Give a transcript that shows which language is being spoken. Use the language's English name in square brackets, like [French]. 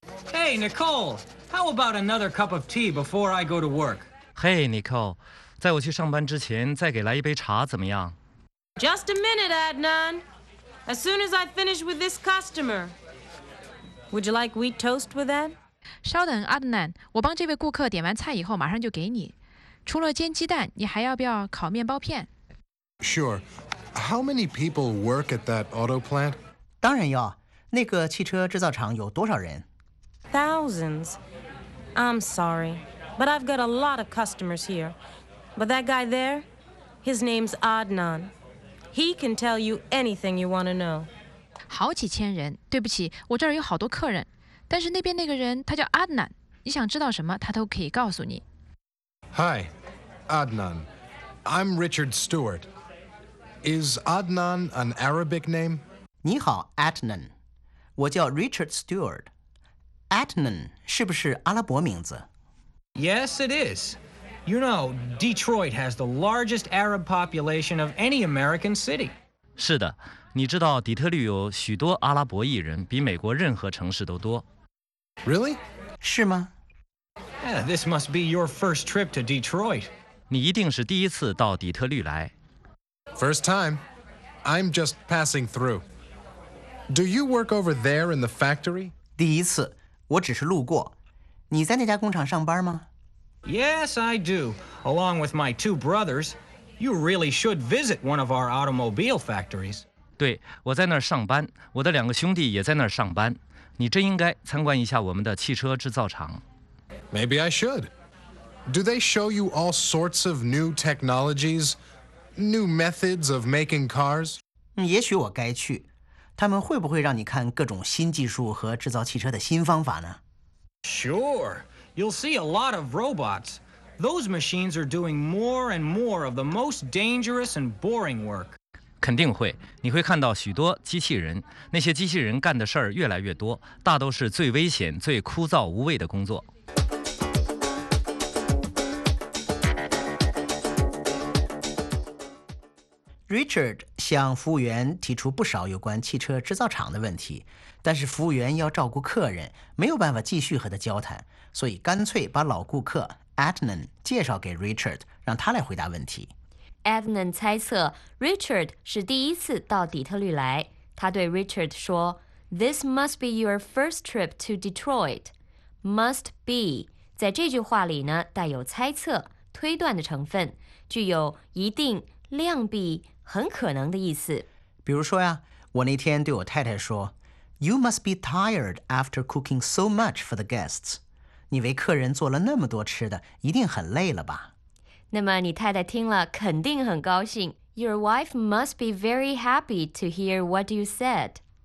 [English] Hey Nicole, how about another cup of tea before I go to work? [Chinese] Hey Nicole, 在我去上班之前再给来一杯茶怎么样？ [English] Just a minute Adnan. As soon as I finish with this customer, would you like wheat toast with that? [Chinese] 稍等 Adnan, 我帮这位顾客点完菜以后马上就给你。除了煎鸡蛋，你还要不要烤面包片？ [English] Sure. How many people work at that auto plant? [Chinese] 当然要。那个汽车制造厂有多少人？ [English] Thousands. I'm sorry, but I've got a lot of customers here. But that guy there, his name's Adnan. He can tell you anything you want to know. [Chinese] 好几千人，对不起，我这儿有好多客人。但是那边那个人，他叫 Adnan， 你想知道什么，他都可以告诉你。 [English] Hi, Adnan. I'm Richard Stewart. Is Adnan an Arabic name? [Chinese] 你好 ，Adnan. 我叫 Richard Stewart. Adnan 是不是阿拉伯名字？ [English] Yes, it is. You know, Detroit has the largest Arab population of any American city. [Chinese] 是的，你知道底特律有许多阿拉伯裔人，比美国任何城市都多。 [English] Really? [Chinese] 是吗？ [English] Yeah, this must be your first trip to Detroit. [Chinese] 你一定是第一次到底特律来。 [English] First time. I'm just passing through. Do you work over there in the factory? [Chinese] 第一次，我只是路过。你在那家工厂上班吗？ [English] Yes, I do, along with my two brothers. You really should visit one of our automobile factories. [Chinese] 对，我在那儿上班，我的两个兄弟也在那儿上班。你真应该参观一下我们的汽车制造厂。 [English] Maybe I should. Do they show you all sorts of new technologies, new methods of making cars? [Chinese] 也许我该去。他们会不会让你看各种新技术和制造汽车的新方法呢？ [English] Sure.You'll see a lot of robots. Those machines are doing more and more of the most dangerous and boring work. [Chinese] 肯定会，你会看到许多机器人，那些机器人干的事儿越来越多，大都是最危险、最枯燥无味的工作。 Richard 向服务员提出不少有关汽车制造厂的问题，但是服务员要照顾客人，没有办法继续和他交谈，所以干脆把老顾客 Adnan 介绍给 Richard， 让他来回答问题。 Adnan 猜测 Richard 是第一次到底特律来，他对 Richard 说 [English] This must be your first trip to Detroit. [Chinese] Must be 在这句话里呢，带有猜测、推断的成分，具有一定量比很可能的意思。比如说呀，我那天对我太太说 [English] You must be tired after cooking so much for the guests. [Chinese] 你为客人做了那么多吃的，一定很累了吧。那么你太太听了肯定很高兴。 [English] Your wife must be very happy to hear what you said.